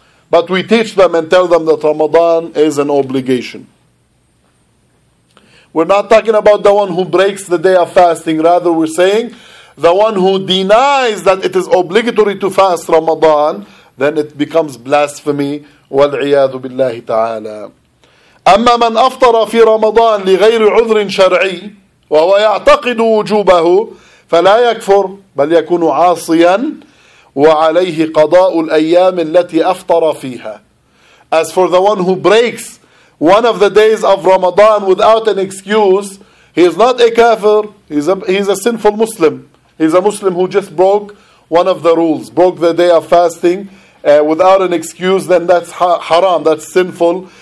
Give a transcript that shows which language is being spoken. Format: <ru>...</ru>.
<en>But we teach them and tell them that Ramadan is an obligation. We're not talking about the one who breaks the day of fasting. Rather, we're saying the one who denies that it is obligatory to fast Ramadan, then it becomes blasphemy.</en> <ar>وَالْعِيَاذُ بِاللَّهِ تَعَالَى أَمَّا مَنْ أَفْطَرَ فِي رَمَضَانِ لِغَيْرِ عُذْرٍ شَرْعِي وهو يعتقد وجوبه فلا يكفر بل يكون عاصيا وعليه قضاء الأيام التي أفطر فيها.</ar> <en>As for the one who breaks one of the days of Ramadan without an excuse, he is not a kafir, he's a sinful Muslim. He's a Muslim who just broke one of the rules, broke the day of fasting without an excuse, then that's haram, that's sinful.</en>